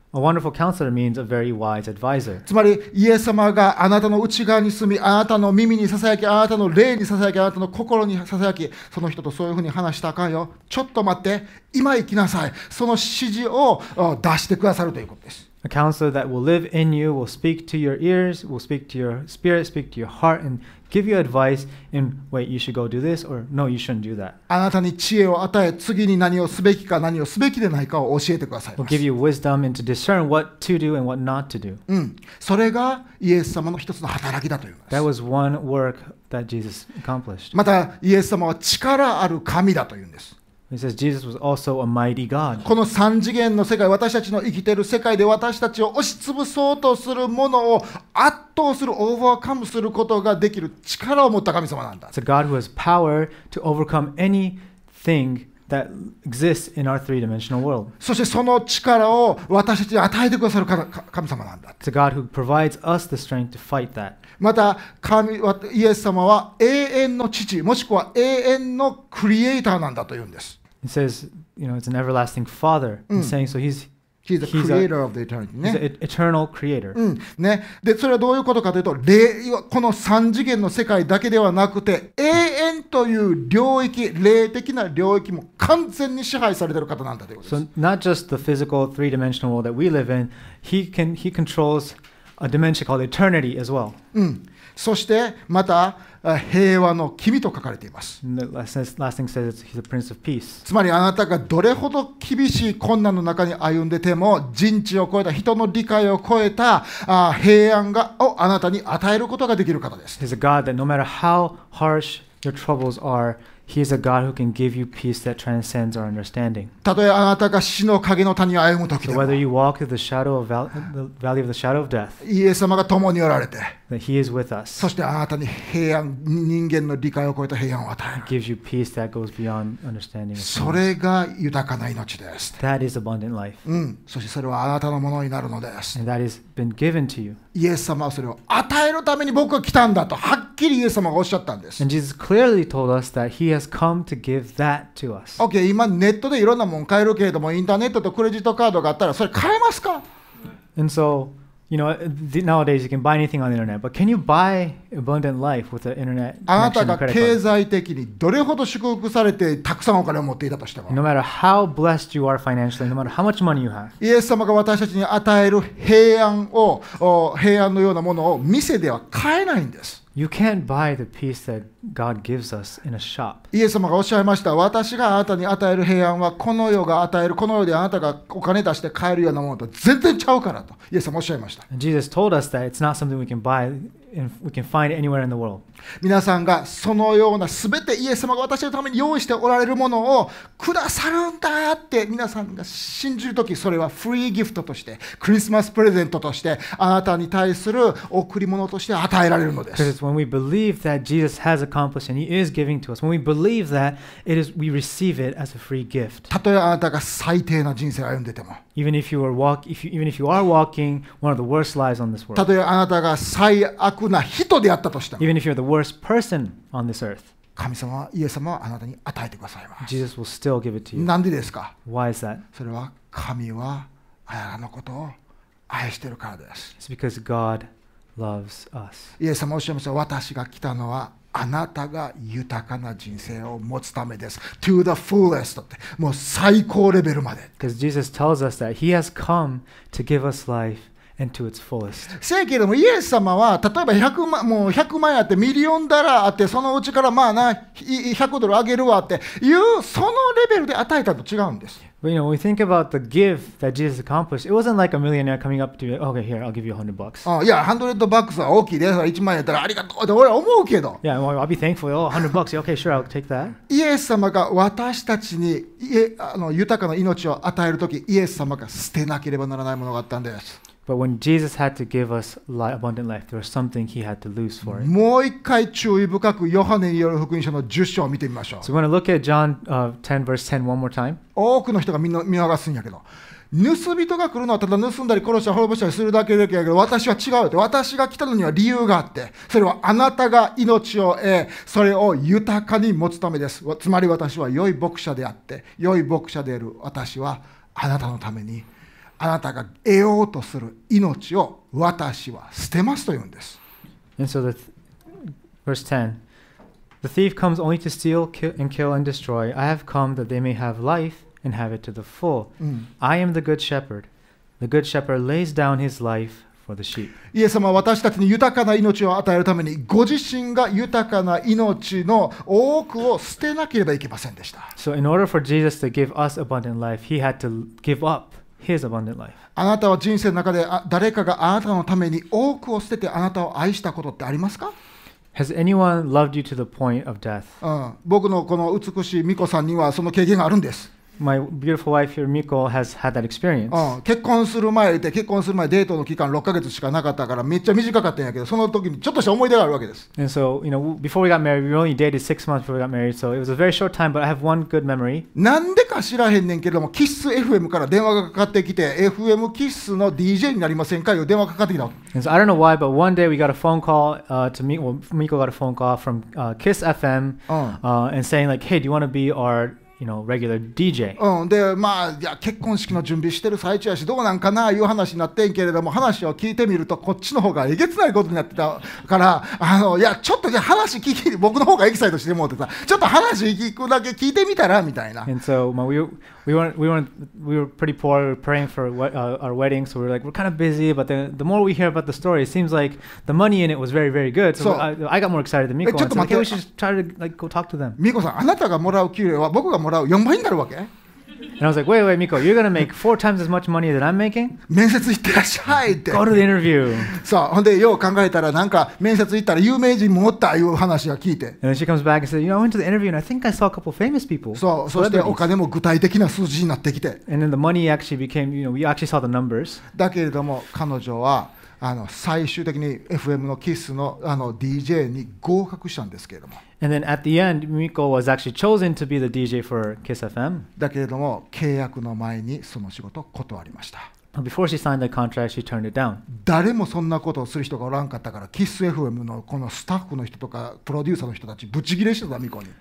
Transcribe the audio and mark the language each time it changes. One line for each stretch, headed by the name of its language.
English: A wonderful counselor means a very wise advisor.
Japanese: つまりイエス様があなたの内側に住み、あなたの耳にささやき、あなたの霊にささやき、あなたの心にささやき、その人とそういうふうに話したらあかんよ。ちょっと待って、今行きなさい。その指示を出してくださるということです。
English: A counselor that will live in you, will speak to your ears, will speak to your spirit, speak to your heart, and give you advice in, wait, you should go do this, or no, you shouldn't do that.
Japanese: あなたに知恵を与え、次に何をすべきか何をすべきでないかを教えてくださいます。
English: Will give you wisdom and to discern what to do and what not to do.
Japanese: それがイエス様の一つの働きだと言います。
English: That was one work that Jesus accomplished.
Japanese: またイエス様は力ある神だと言うんです。
English: He says Jesus was also a mighty God.
Japanese: この三次元の世界、私たちの生きている世界で私たちを押しつぶそうとするものを圧倒する、オーバーカムすることができる力を持った神様なんだ。
English: It's a God who has power to overcome anything that exists in our three-dimensional world.
Japanese: そしてその力を私たちに与えてくださる神様なんだ。
English: It's a God who provides us the strength to fight that.
Japanese: また神はイエス様は永遠の父もしくは永遠のクリエイターなんだと言うんです。
English: He says, you know, it's an everlasting father. He's saying so he's He's the creator of the eternity. He's an eternal creator.
Japanese: ね。で、それはどういうことかというと、この三次元の世界だけではなくて、永遠という領域、霊的な領域も完全に支配されている方なんだということです。
English: So not just the physical three-dimensional world that we live in, he controls a dimension called eternity as well.
Japanese: そしてまた平和の君と書かれています。
English: Last thing says it's, he's a prince of peace.
Japanese: つまりあなたがどれほど厳しい困難の中に歩んでても人知を超えた人の理解を超えた平安がをあなたに与えることができる方です。
English: He's a God that no matter how harsh your troubles are, He is a God who can give you peace that transcends our understanding.
Japanese: たとえあなたが死の影の谷を歩むときでも、
English: so、whether you walk through the shadow of the valley of the shadow of death,
Japanese: イエス様が共におられて、
English: that He is with us.
Japanese: そしてあなたに平安、人間の理解を超えた平安を与える。
English: Gives you peace that goes beyond understanding.
Japanese: それが豊かな命です。
English: That is abundant life.
Japanese: そしてそれはあなたのものになるのです。
English: And that has been given to you.
Japanese: イエス様はそれを与えるために僕は来たんだとはっきりイエス様がおっしゃったんです。
English: And Jesus clearly told us that He has come to give that to us.
Japanese: Okay, 今ネットでいろんなもの買えるけれども、インターネットとクレジットカードがあったらそれ買えますか？
English: And so, you know, nowadays you can buy anything on the internet, but can you buy abundant life with the internet connection and credit card?
Japanese: あなたが経済的にどれほど祝福されてたくさんお金を持っていたとしても、
English: No matter how blessed you are financially, no matter how much money you have,
Japanese: イエス様が私たちに与える平安を、平安のようなものを店では買えないんです。
English: You can't buy the peace that God gives us in a shop.
Japanese: イエス様がおっしゃいました。私があなたに与える平安はこの世が与える、この世であなたがお金出して買えるようなものと全然ちゃうからと。イエス様おっしゃいました。
English: Jesus told us that it's not something we can buy and we can find anywhere in the world.
Japanese: 皆さんがそのようなすべてイエス様が私のために用意しておられるものをくださるんだって皆さんが信じるとき、それはフリーギフトとして、クリスマスプレゼントとして、あなたに対する贈り物として与えられるのです。
English: When we believe that Jesus has accomplished and He is giving to us, when we believe that, it is we receive it as a free gift.
Japanese: たとえあなたが最低な人生を歩んでても、
English: even if you are walking one of the worst lives on this world.
Japanese: たとえあなたが最悪な人であったとしても、
English: even if you're the worst person on this earth.
Japanese: 神様はイエス様はあなたに与えてくださいます。
English: Jesus will still give it to you.
Japanese: なんでですか？
English: Why is that?
Japanese: それは神はあなたのことを愛しているからです。
English: It's because God loves us.
Japanese: イエス様おっしゃいました、私が来たのはあなたが豊かな人生を持つためです。
English: To the fullest
Japanese: って、もう最高レベルまで。
English: Because Jesus tells us that He has come to give us life and to its fullest.
Japanese: せやけれども、イエス様は例えば100万、もう100万あって、ミリオンダラーあって、そのうちからまあな、100ドルあげるわっていう、そのレベルで与えたと違うんです。
English: But you know, when we think about the gift that Jesus accomplished, it wasn't like a millionaire coming up to you, okay, here, I'll give you $100. Yeah, $100
Japanese: は大きいです。1万円やったらありがとうって俺は思うけど。
English: Yeah, well, I'll be thankful. Oh, $100. Okay, sure, I'll take that.
Japanese: イエス様が私たちに豊かな命を与えるとき、イエス様が捨てなければならないものがあったんです。
English: But when Jesus had to give us abundant life, there was something He had to lose for it.
Japanese: もう一回注意深くヨハネによる福音書の10章を見てみましょう。
English: So we're going to look at John 10 verse 10 one more time.
Japanese: 多くの人が見逃すんやけど、盗人が来るのはただ盗んだり殺したり滅ぼしたりするだけだけど、私は違うって。私が来たのには理由があって、それはあなたが命を得、それを豊かに持つためです。つまり私は良い牧者であって、良い牧者である私はあなたのために、あなたが得ようとする命を私は捨てますと言うんです。
English: And so verse 10, the thief comes only to steal, kill, and kill and destroy. I have come that they may have life and have it to the full. I am the good shepherd. The good shepherd lays down his life for the sheep.
Japanese: イエス様は私たちに豊かな命を与えるために、ご自身が豊かな命の多くを捨てなければいけませんでした。
English: So in order for Jesus to give us abundant life, he had to give up. His abundant life.
Japanese: あなたは人生の中で誰かがあなたのために多くを捨ててあなたを愛したことってありますか？
English: Has anyone loved you to the point of death?
Japanese: 僕のこの美しい巫女さんにはその経験があるんです。
English: My beautiful wife here, Miko, has had that experience.
Japanese: 結婚する前で、結婚する前デートの期間6ヶ月しかなかったからめっちゃ短かったんやけど、その時にちょっとした思い出があるわけです。
English: And so, you know, before we got married, we only dated 6 months before we got married, so it was a very short time. But I have one good memory.
Japanese: なんでか知らへんねんけども、Kiss FM から電話がかかってきて、FM Kiss の DJ になりませんかよ電話がかかってきた。
English: And so I don't know why, but one day we got a phone call to me. Well, Miko got a phone call from Kiss FM, and saying like, "Hey, do you want to be our you know, regular DJ.
Japanese: で、まあ、いや、結婚式の準備してる最中やし、どうなんかな、いう話になってんけれども、話を聞いてみると、こっちの方がえげつないことになってたから、いや、ちょっとじゃ話聞き、僕の方がエキサイトしてもうてさ、ちょっと話聞くだけ聞いてみたら、みたいな。
English: And so, まあ、we were pretty poor, praying for our wedding, so we were like, we're kind of busy, but then the more we hear about the story, it seems like the money in it was very, very good. So I got more excited than Miko.
Japanese: ちょっと待って。
English: So, okay, we should try to like, go talk to them.
Japanese: Miko さん、あなたがもらう給料は僕がもらう4倍になるわけ?
English: And I was like, wait, wait, Miko, you're going to make 4 times as much money that I'm making?
Japanese: 面接行ってらっしゃいって。
English: Go to the interview.
Japanese: そう、ほんでよう考えたらなんか面接行ったら有名人もおったいう話が聞いて。
English: And she comes back and said, you know, I went to the interview and I think I saw a couple famous people.
Japanese: そう、そしてお金も具体的な数字になってきて。
English: And then the money actually became, you know, we actually saw the numbers.
Japanese: だけれども彼女は最終的に FM のキスの DJ に合格したんですけれども。
English: And then at the end, Miko was actually chosen to be the DJ for Kiss FM.
Japanese: だけれども契約の前にその仕事を断りました。
English: But before she signed the contract, she turned it down.
Japanese: 誰もそんなことをする人がおらんかったから、Kiss FM のこのスタッフの人とかプロデューサーの人たちブチギレしてたミコに。